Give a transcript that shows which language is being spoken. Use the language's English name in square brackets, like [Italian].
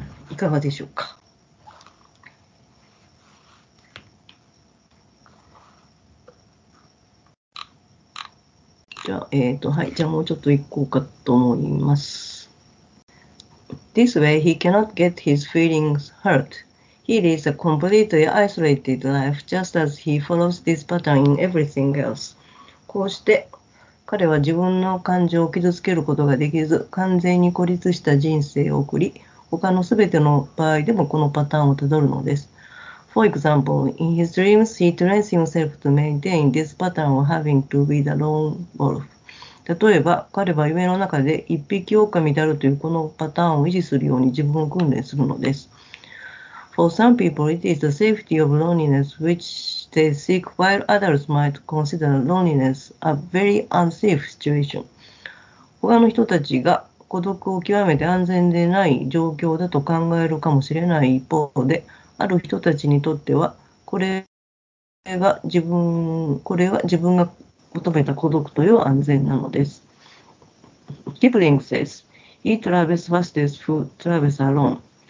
[Japanese] いかがでしょうか。はい、じゃあもうちょっと行こうかと思います。 [English] This way he cannot get his feelings hurt. He leads a completely isolated life just as he follows this pattern in everything else. [Japanese] こうして彼は自分の感情を傷つけることができず、完全に孤立した人生を送り、他のすべての場合でもこのパターンをたどるのです。 [English] For example, in his dreams, he trains himself to maintain this pattern of having to be the lone wolf. [Japanese] 例えば、彼は夢の中で一匹狼であるというこのパターンを維持するように自分を訓練するのです。 [English] For some people, it is the safety of loneliness which they seek, while others might consider loneliness a very unsafe situation. [Japanese] 他の人たちが孤独を極めて安全でない状況だと考えるかもしれない一方で、ある人たちにとってはこれは自分が求めた孤独という安全なのです。 [English] Kipling says, he travels fastest who travels alone.